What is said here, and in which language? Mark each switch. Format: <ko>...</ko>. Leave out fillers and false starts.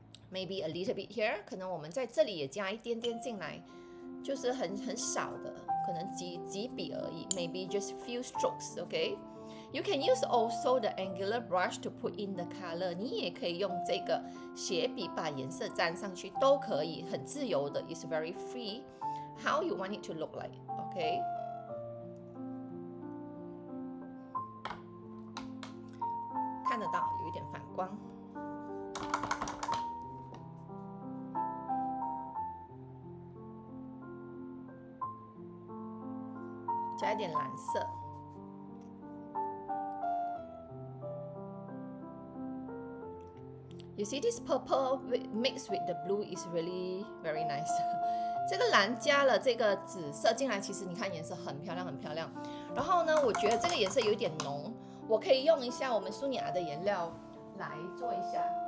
<en>maybe a little bit here</en> <zh>可能我们在这里也加一点点进来就是很少的可能几笔而已</zh> <en>maybe just few strokes okayYou can use also the angular brush to put in the color.</en> <zh>你也可以用这个斜笔把颜色沾上去，都可以，很自由的。</zh> <en>It's very free. How you want it to look like? Okay. Can</en> <zh>得到，有一点反光。加一点蓝色。</zh> <en>You see this purple mixed with the blue is really very nice.</en> <zh>这个蓝加了这个紫色进来，其实你看颜色很漂亮，很漂亮。然后呢，我觉得这个颜色有点浓，我可以用一下我们苏尼亚的颜料来做一下。</zh>